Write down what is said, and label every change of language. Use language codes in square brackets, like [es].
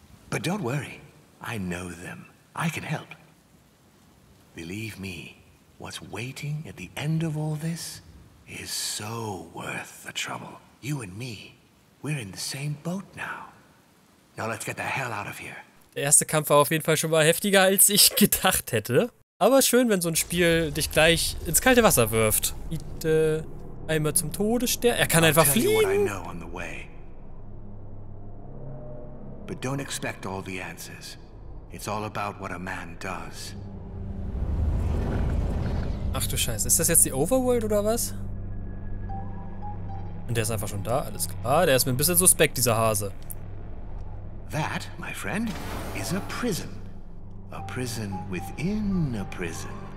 [en] But don't worry, I know them. I can help. Believe me, what's waiting at the end of all this is so worth the trouble. You and me, we're in the same boat now. Now let's get the hell out of here. [de] Der erste Kampf war auf jeden Fall schon mal heftiger, als ich gedacht hätte. Aber schön, wenn so ein Spiel dich gleich ins kalte Wasser wirft. Einmal zum Tode sterben. Er kann einfach fliegen. [en] But don't expect all the answers. It's all about what a man does. [de] Ach du Scheiße, ist das jetzt die Overworld oder was? Und der ist einfach schon da, alles klar. Der ist mir ein bisschen suspekt, dieser Hase. [en] That, my friend, is a prison. A prison within a prison.